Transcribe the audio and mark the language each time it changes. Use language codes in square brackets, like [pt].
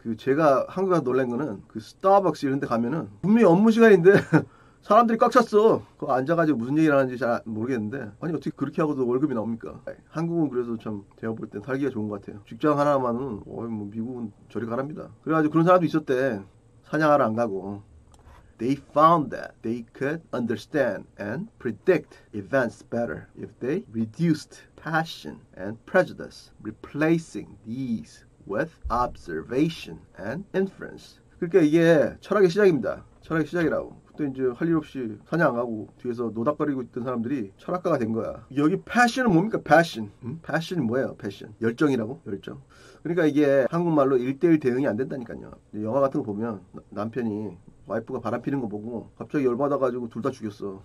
[ko] 그 제가 한국에서 놀란 거는 그 스타벅스 이런 데 가면은 분명히 업무 시간인데 사람들이 꽉 찼어. 그거 앉아가지고 무슨 얘기를 하는지 잘 모르겠는데 아니 어떻게 그렇게 하고도 월급이 나옵니까? 한국은 그래서 참 제가 볼 땐 살기가 좋은 것 같아요. 직장 하나만은 뭐 미국은 저리 가랍니다. 그래가지고 그런 사람도 있었대. 사냥하러 안 가고. [en] They found that they could understand and predict events better if they reduced passion and prejudice, replacing these with observation and inference. [ko] 그러니까 이게 철학의 시작입니다. 철학의 시작이라고. 그때 이제 할 일 없이 사냥 안 가고 뒤에서 노닥거리고 있던 사람들이 철학가가 된 거야. 여기 passion은 뭡니까? Passion. 음? Passion이 뭐예요? Passion. 열정이라고? 열정. 그러니까 이게 한국말로 1대1 대응이 안 된다니까요. 영화 같은 거 보면 남편이 와이프가 바람 피는 거 보고 갑자기 열받아가지고 둘 다 죽였어.